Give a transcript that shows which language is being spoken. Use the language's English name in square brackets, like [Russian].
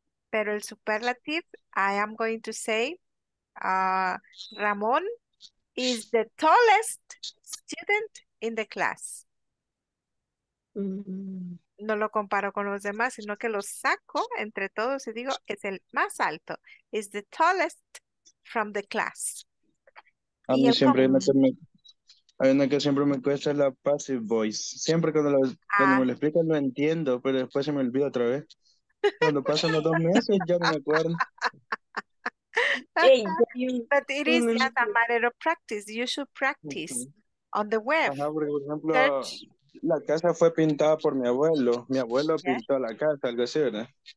[Spanish] Pero el [English] superlative, I am going to say, Ramón is the tallest student in the class. [Spanish] No lo comparo con los demás, sino que lo saco entre todos y digo, es el más alto. [English] Is the tallest from the class. [Spanish] A mí siempre me hay una que siempre me cuesta, la passive voice. Siempre cuando me lo explican lo entiendo, pero después se me olvida otra vez. Cuando pasan los dos meses, ya no me acuerdo. [English] But it is just a matter of practice. You should practice on the web. [Spanish] Ajá, porque, por ejemplo, la casa fue pintada por mi abuelo. Mi abuelo pintó la casa, algo así, ¿verdad?